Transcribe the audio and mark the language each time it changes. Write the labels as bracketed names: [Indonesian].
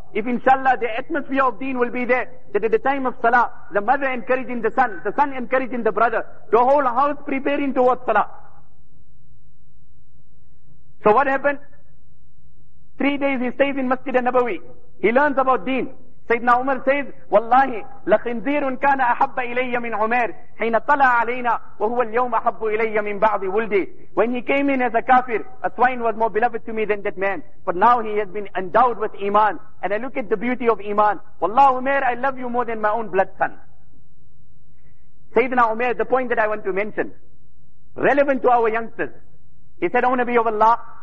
[English] If inshallah the atmosphere of deen will be there, that at the time of salah, the mother encouraging the son encouraging the brother, the whole house preparing towards salah. So what happened? 3 days he stays in Masjid al-Nabawi. He learns about deen. Sayyidina Umar says, Wallahi, [Arabic] لَخِنْزِيرٌ كَانَ أَحَبَّ إِلَيَّ مِنْ عُمَيْرٍ حِينَ طَلَى عَلَيْنَا وَهُوَ الْيَوْمَ أَحَبُّ إِلَيَّ مِنْ بَعْضِ وُلْدِي. [English] When he came in as a kafir, a swine was more beloved to me than that man. But now he has been endowed with iman. And I look at the beauty of iman. Wallahi, Umar, I love you more than my own blood son. Sayyidina Umar, the point that I want to mention, relevant to our youngsters. He said, O Nabi of Allah,